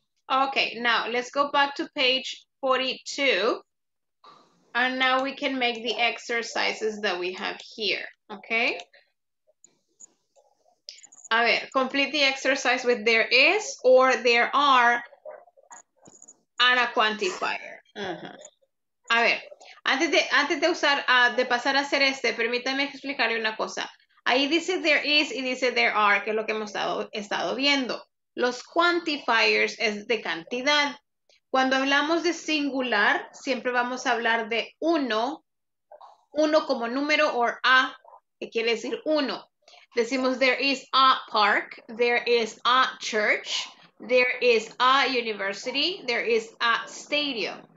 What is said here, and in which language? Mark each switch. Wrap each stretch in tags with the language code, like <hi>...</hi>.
<en>Okay, now let's go back to page 42. And now we can make the exercises that we have here, okay?</en> <es>A ver,</es> <en>complete the exercise with there is or there are and a quantifier.</en> <es>Uh-huh. A ver, antes de pasar a hacer este, permítame explicarle una cosa. Ahí dice there is y dice there are, que es lo que hemos estado viendo. Los quantifiers es de cantidad. Cuando hablamos de singular, siempre vamos a hablar de uno como número o a, que quiere decir uno. Decimos</es> <en>there is a park, there is a church, there is a university, there is a stadium.</en>